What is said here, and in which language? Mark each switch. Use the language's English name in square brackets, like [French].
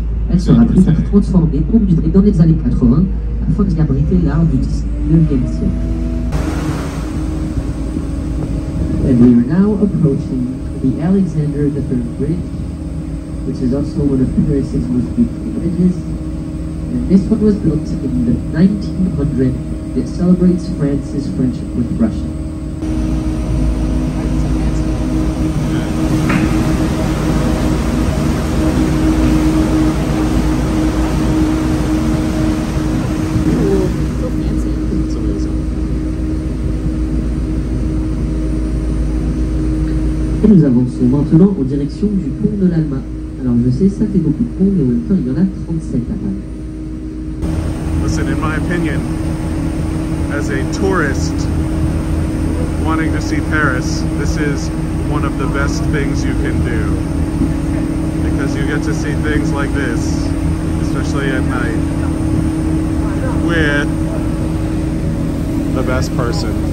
[French] Elle sera plus tard transformée au musée dans les années 80 afin d'y abriter l'art du 19e siècle. [English] And we are now approaching the Alexander III Bridge, which is also one of Paris's most beautiful bridges. And this one was built in the 1900s. It celebrates France's friendship with Russia. [French] nous avançons maintenant en direction du pont de l'Alma. Alors je sais, ça fait beaucoup de ponts, mais en même temps, il y en a 37 à Paris. [English] Listen, in my opinion, as a tourist wanting to see Paris, this is one of the best things you can do. Because you get to see things like this, especially at night, with the best person.